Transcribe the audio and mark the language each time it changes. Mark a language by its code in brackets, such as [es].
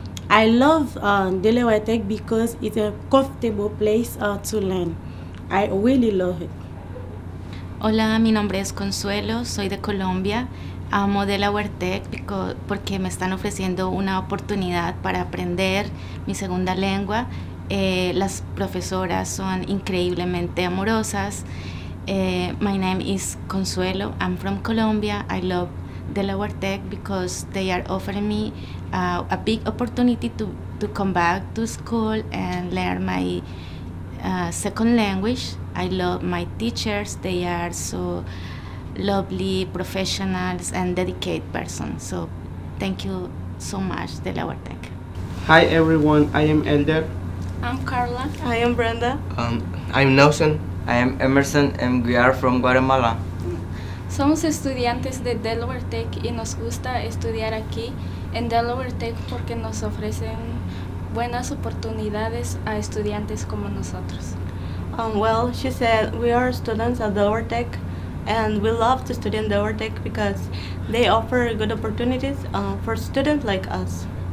[en] I love Delaware Tech because it's a comfortable place to learn. I really love it. [es] Hola, mi nombre es Consuelo, soy de Colombia. Amo Delaware Tech porque me están ofreciendo una oportunidad para aprender mi segunda lengua. Las profesoras son increíblemente amorosas. [en] My name is Consuelo, I'm from Colombia. I love Delaware Tech because they are offering me a big opportunity to come back to school and learn my second language. I love my teachers. They are so lovely professionals and dedicated persons. So thank you so much, Delaware Tech. Hi everyone, I am Elder. I'm Carla. I am Brenda. I'm Nelson. I am Emerson and we are from Guatemala. [es] Somos estudiantes de Delaware Tech y nos gusta estudiar aquí en Delaware Tech porque nos ofrecen buenas oportunidades a estudiantes como nosotros. [en] Well, she said we are students at Delaware Tech and we love to study in Delaware Tech because they offer good opportunities for students like us.